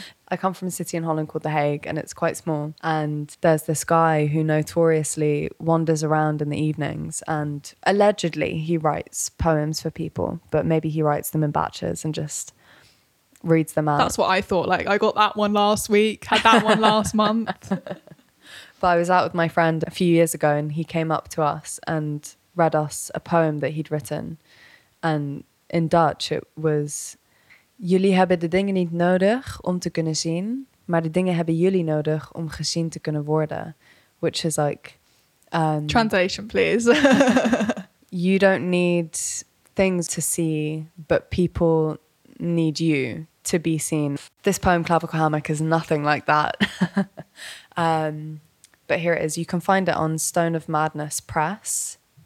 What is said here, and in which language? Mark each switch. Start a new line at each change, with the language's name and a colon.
English: I come from a city in Holland called The Hague, and it's quite small. And there's this guy who notoriously wanders around in the evenings, and allegedly he writes poems for people, but maybe he writes them in batches and just reads them out. That's what I thought. Like, I got that one last week, had that one last month. But I was out with my friend a few years ago, and he came up to us and read us a poem that he'd written. And in Dutch, it was...
Dutch: Jullie hebben de dingen niet nodig om te kunnen zien, maar de dingen hebben jullie nodig om gezien te kunnen worden.
English: Which is like... Translation, please. You don't need things to see, but people need you to be seen. This poem, Clavicle Hammock, is nothing like that. but here it is. You can find it on Stone of Madness Press.